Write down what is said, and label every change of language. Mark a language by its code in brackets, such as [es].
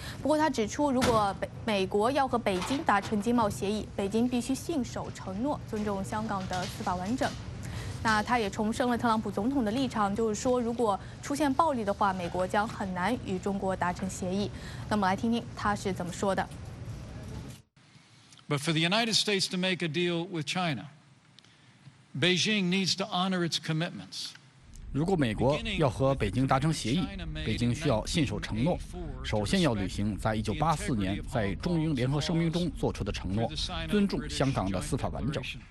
[zh] 不过他指出，如果美国要和北京达成经贸协议，北京必须信守承诺，尊重香港的司法完整。那他也重申了特朗普总统的立场，就是说如果出现暴力的话，美国将很难与中国达成协议。那么来听听他是怎么说的。 [en] But for the United States to make a deal with China, Beijing needs to honor its commitments. [zh] 如果美国要和北京达成协议，北京需要信守承诺，首先要履行在1984年在中英联合声明中做出的承诺，尊重香港的司法完整。